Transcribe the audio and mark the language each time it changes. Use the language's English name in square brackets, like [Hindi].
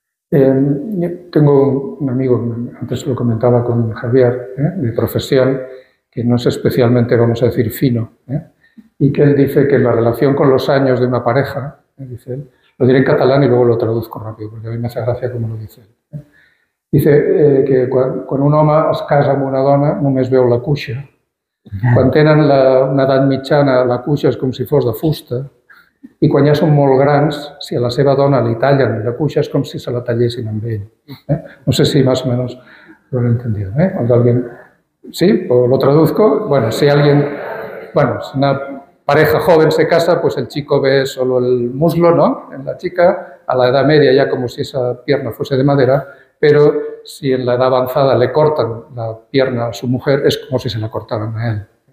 [Spanish] Tengo un amigo, antes lo comentaba con Javier, de profesión, que no es especialmente, vamos a decir, fino, y que él dice que la relación con los años de una pareja, dice él, lo diré en catalán y luego lo traduzco rápido, porque a mí me hace gracia como lo dice él. Dice que [Catalan] quan un home es casa amb una dona només veu la cuixa. Quan tenen una edat mitjana, la cuixa és com si fos de fusta. I quan ja són molt grans, si a la seva dona li tallen la cuixa, és com si se la tallessin amb ell. [Spanish] No sé si más o menos lo he entendido. ¿Sí? ¿O lo traduzco? Bueno, si alguien... Bueno, si una pareja joven se casa, pues el chico ve solo el muslo, ¿no?, en la chica, a la edad media ya como si esa pierna fuese de madera, pero si en la edad avanzada le cortan la pierna a su mujer, es como si se la cortaran a él.